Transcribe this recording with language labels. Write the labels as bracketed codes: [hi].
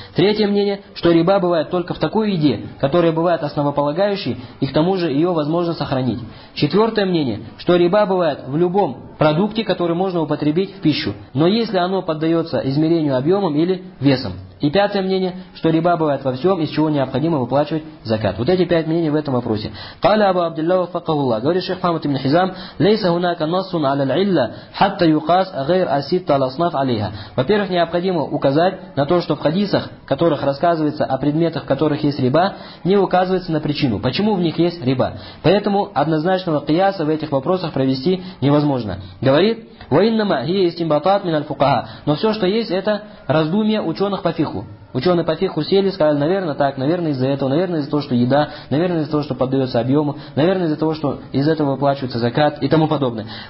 [ru] Третье мнение, что риба бывает только в такой еде, которая бывает основополагающей, и к тому же ее возможно сохранить. Четвертое мнение, что риба бывает в любом продукте, который можно употребить в пищу, но если оно поддается измерению объемом или весом. И пятое мнение, что риба бывает во всем, из чего необходимо выплачивать закат. Вот эти пять мнений в этом вопросе. [ar] قال أبو عبد الله وفقه الله. [ru] Говорит шейх Мухаммад ибн Хизам, [ar] ليس هناك نص على العلة حتى يقاس غير الستة الأصناف عليها. [ru] Во-первых, необходимо указать на то, что в хадисах, в которых рассказывается о предметах, в которых есть риба, не указывается на причину, почему в них есть риба. Поэтому однозначного кияса в этих вопросах провести невозможно. Говорит, [ar] وإنما هي استنباطات من الفقهاء. [ru] Но все, что есть, это раздумья ученых по фиху. Ученые по фиху сели, сказали, наверное, так, наверное, из-за этого, наверное, из-за того, что еда, наверное, из-за того, что поддается объему, наверное, из-за того, что из этого выплачивается закат и тому подобное.